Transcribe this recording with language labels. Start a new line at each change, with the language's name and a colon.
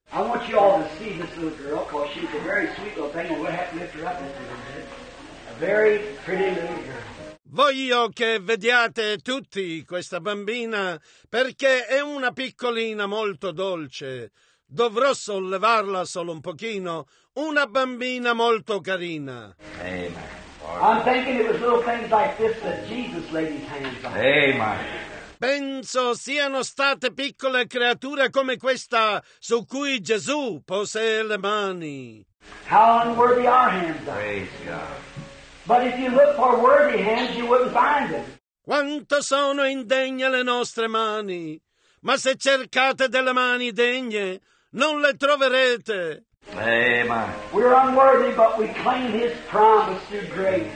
English: I want you all to see this little girl, because she's a very sweet little thing, and we'll have to lift her up a little bit. A very pretty little girl.
Italian: Voglio che vediate tutti questa bambina, perché è una piccolina molto dolce. Dovrò sollevarla solo un pochino. Una bambina molto carina.
English: Amen. I'm thinking it was little things like this that Jesus laid his hands on. Amen.
Italian: Penso siano state piccole creature come questa su cui Gesù pose le mani.
English: How unworthy our hands are. Praise God. But if you look for worthy hands, you wouldn't find them.
Italian: Quanto sono indegne le nostre mani, ma se cercate delle mani degne, non le troverete.
English: Amen. We're unworthy, but we claim His promise through grace.